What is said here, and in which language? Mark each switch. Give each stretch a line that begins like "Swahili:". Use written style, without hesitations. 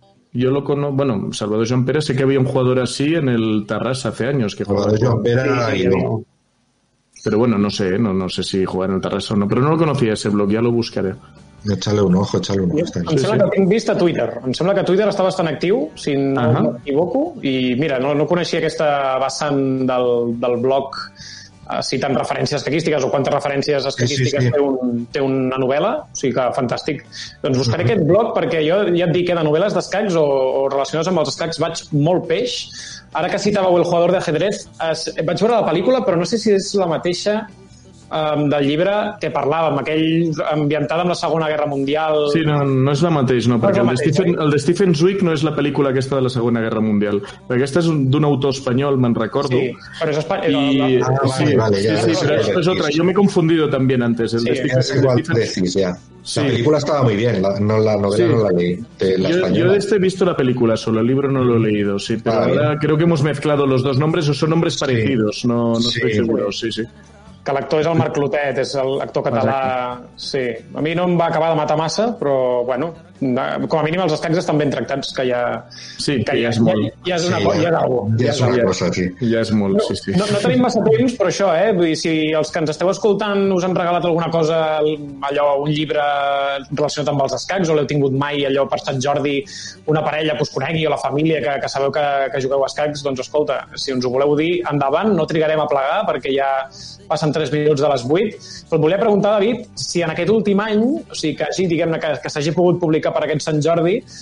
Spanish: Yo lo conozco, bueno, Salvador Joan Pérez, sé que había un jugador así en el Tarrasa hace años. Que Salvador jugaba. Joan Pérez era ahí, ¿no? Pero bueno, no sé, ¿eh? No sé si jugaba en el Tarrasa o no, pero no lo conocía ese blog, ya lo buscaré. Échale un ojo.
Catalan: Em sembla que tinc vist a Twitter. Em sembla que Twitter està bastant actiu, si no m'equivoco, i mira, no coneixia aquesta vessant del blog, citant referències escaquístiques o quantes referències escaquístiques sí. té una novel·la, o sigui que fantàstic. Doncs buscaré uh-huh. aquest blog perquè jo ja et dic que de novel·les d'escacs o relacionades amb els escacs vaig molt peix. Ara que citàveu El jugador de ajedrez, vaig veure la pel·lícula, però no sé si és la mateixa del llibre que parlàvem, aquell ambientat amb la Segona Guerra Mundial. Sí, no és la mateixa, no, perquè el de Stephen, el de Stephen Zweig no és la pel·lícula aquesta de la Segona Guerra Mundial. Aquesta és d'un autor espanyol, me'n recordo. Sí, però és espanyol. Sí, és otra. Jo m'he confundit també antes. El sí, de Stephen, és igual, ja. Sí.
Spanish: La película estaba muy bien, la novela sí. No la leí. Yo he visto la película solo, el libro no lo he leído, sí, pero ahora creo que hemos mezclado los dos nombres o son nombres parecidos, sí. No sí. Estoy seguro, sí.
Catalan: Que l'actor és el Marc Clotet, és l'actor català, exacte. Sí. A mi no em va acabar de matar massa, però, bueno, com a mínim els escacs estan ben tractats, que ja... Sí, que ja és molt. Ja és una cosa, ja és molt, sí. No tenim massa temps, però això, eh? Vull dir, si els que ens esteu escoltant us han regalat alguna cosa, allò, un llibre relacionat amb els escacs, o l'heu tingut mai, allò, per Sant Jordi, una parella que us conegui, o la família, que sabeu que jugueu a escacs, doncs, escolta, si ens ho voleu dir, endavant, no trigarem a plegar, perquè ja passen 3 minuts de les 8, però volia preguntar, David, si en aquest últim any, o sigui, que sí, diguem-ne, que s'hagi pogut publicar per aquest Sant Jordi,